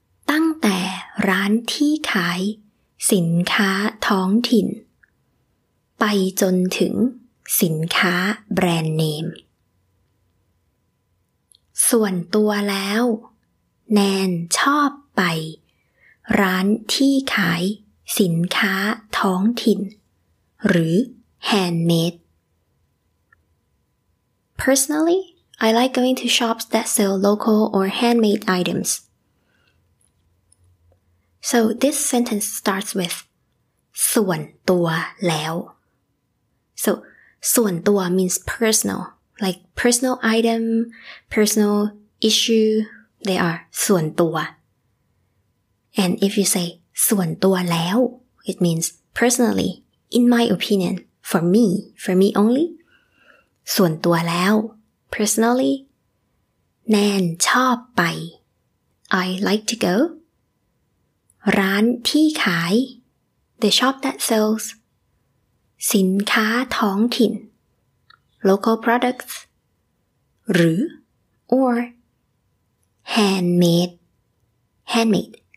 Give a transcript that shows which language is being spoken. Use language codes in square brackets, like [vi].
[th] ตั้งแต่ร้านที่ขายสินค้าท้องถิ่นไปจนถึงสินค้าแบรนด์เนม ส่วนตัวแล้วแนนชอบไปร้านที่ขายสินค้าท้องถิ่นหรือแฮนด์เมด [en] Personally, I like going to shops that sell local or handmade itemsSo this sentence starts with [th] ส่วนตัวแล้ว [en] So ส่วนตัว means personal, like personal item, personal issue, they are ส่วนตัว And if you say [th] ส่วนตัวแล้ว [en] it means personally, in my opinion, for me only, ส่วนตัวแล้ว personally, [th] แนนชอบไป [en] I like to go [th] ร้านที่ขาย [en] the shop that sells [th] สินค้าท้องถิ่น [en] local products [th] หรือ [en] or handmade handmade